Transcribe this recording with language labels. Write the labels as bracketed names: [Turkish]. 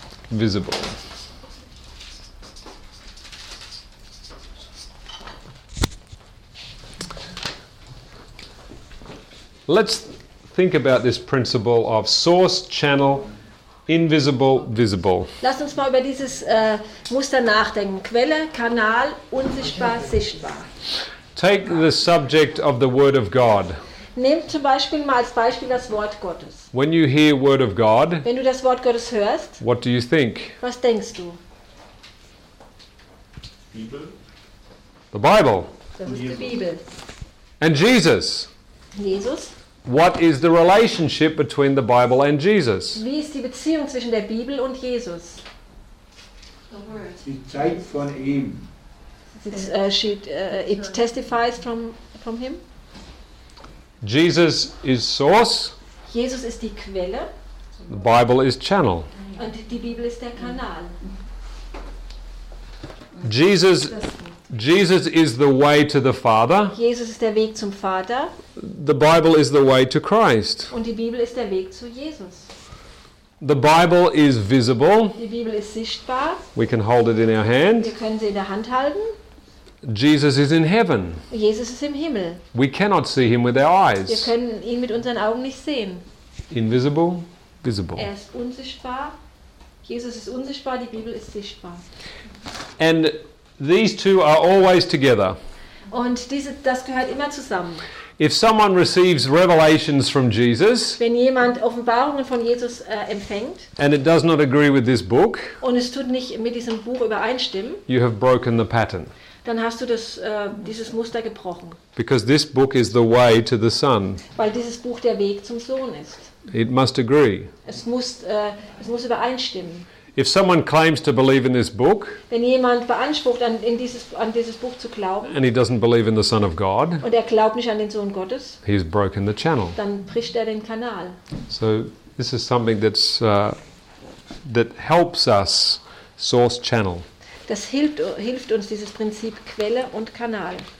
[English] Visible. Let's think about this principle of source, channel, invisible, visible. [German] Lass uns mal über dieses Muster nachdenken. Quelle, Kanal, unsichtbar, sichtbar. [English] Take the subject of the Word of God. [German] Nehmt zum Beispiel mal als Beispiel das Wort Gottes. [English] When you hear Word of God, [German] wenn du das Wort Gottes hörst, [English] what do you think? [German] Was denkst du? Bibel. [English] The Bible. [German] Das ist die Bibel. [English] And Jesus. [German] Jesus. [English] What is the relationship between the Bible and Jesus? [German] Wie ist die Beziehung zwischen der Bibel und Jesus? [English] The Word. [German] Die Zeit von ihm. [English] It testifies from him. Jesus is source. [German] Jesus ist die Quelle. [English] The Bible is channel. [German] Und die Bibel ist der Kanal. [English] Jesus is the way to the Father. [German] Jesus ist der Weg zum Vater. [English] The Bible is the way to Christ. [German] Und die Bibel ist der Weg zu Jesus. [English] The Bible is visible. [German] Die Bibel ist sichtbar. [English] We can hold it in our hand. [German] Wir können sie in der Hand halten. [English] Jesus is in heaven. [German] Jesus ist im Himmel. [English] We cannot see him with our eyes. [German] Wir können ihn mit unseren Augen nicht sehen. [English] Invisible, visible. [German] Er ist unsichtbar. Jesus ist unsichtbar, die Bibel ist sichtbar. [English] And these two are always together. [German] Und das gehört immer zusammen. [English] If someone receives revelations from Jesus, [German] wenn jemand Offenbarungen von Jesus empfängt, [English] and it does not agree with this book, [German] und es tut nicht mit diesem Buch übereinstimmen, [English] you have broken the pattern. [German] Dann hast du dieses Muster gebrochen. [English] Because this book is the way to the Son. [German] Weil dieses Buch der Weg zum Sohn ist. [English] It must agree. [German] Es muss übereinstimmen. [English] If someone claims to believe in this book, [German] wenn jemand beansprucht an dieses Buch zu glauben, [English] and he doesn't believe in the Son of God, [German] und er glaubt nicht an den Sohn Gottes, [English] he's broken the channel. [German] Dann bricht er den Kanal. [English] So this is something that helps us source channel. [German] Das hilft uns dieses Prinzip Quelle und Kanal.